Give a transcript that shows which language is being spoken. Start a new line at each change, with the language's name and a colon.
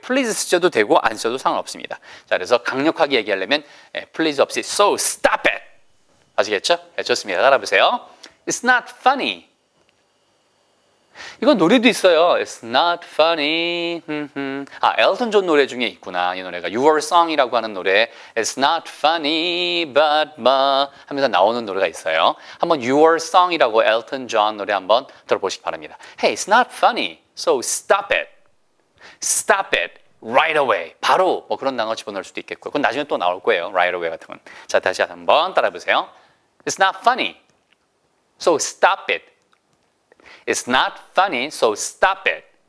Korean: Please 쓰셔도 되고 안 쓰셔도 상관없습니다. 자, 그래서 강력하게 얘기하려면 예, please 없이
English: so stop it.
Korean: 아시겠죠? 예, 좋습니다. 따라해보세요.
English: It's not funny.
Korean: 이건 노래도 있어요.
English: It's not funny.
Korean: 아, 엘튼 존 노래 중에 있구나. 이 노래가 Your Song이라고 하는 노래.
English: It's not funny, but ma
Korean: 하면서 나오는 노래가 있어요. 한번 Your Song이라고 엘튼 존 노래 한번 들어보시기 바랍니다.
English: Hey, it's not funny. So stop it. Stop it right away.
Korean: 바로 뭐 그런 단어 집어넣을 수도 있겠고요. 그건 나중에 또 나올 거예요. Right away 같은 건. 자, 다시 한번 따라해보세요.
English: It's not funny. So stop it. It's not funny. So stop it.